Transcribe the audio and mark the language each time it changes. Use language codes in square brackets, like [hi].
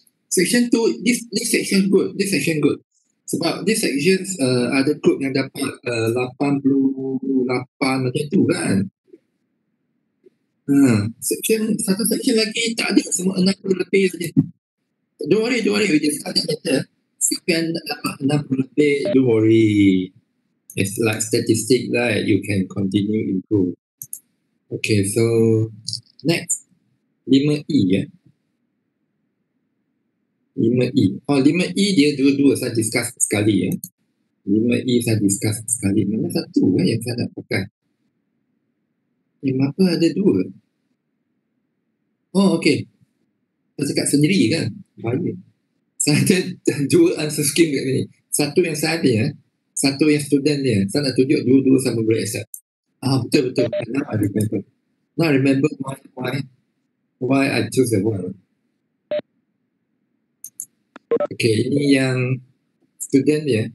[en] Section 2, this section good. This section good. [ms] Sebab this section ada group yang dapat 88 macam tu kan. Section, satu section lagi tak ada, semua 60 lebih saja. [en] Don't worry. We just start that later. [ms] Siapa yang dapat 60 lebih, [en] don't worry. It's like statistic that like you can continue improve. Okay, so next, 5E. Yeah? [ms] 5E. Oh, 5E dia dua-dua saya discuss sekali. Yeah? 5E saya discuss sekali. Mana satu yeah, yang saya nak pakai? Eh, kenapa ada dua? Oh, okay. Saya cakap sendiri kan? Baik. Saya ada dua answer scheme kat sini. Satu yang saya ada, ya. Yeah? Satu yang student dia. Saya nak tunjuk dua-dua sama boleh accept. Ah, betul. [en] Now I remember why I choose the one. [ms] Okay, ini yang student dia.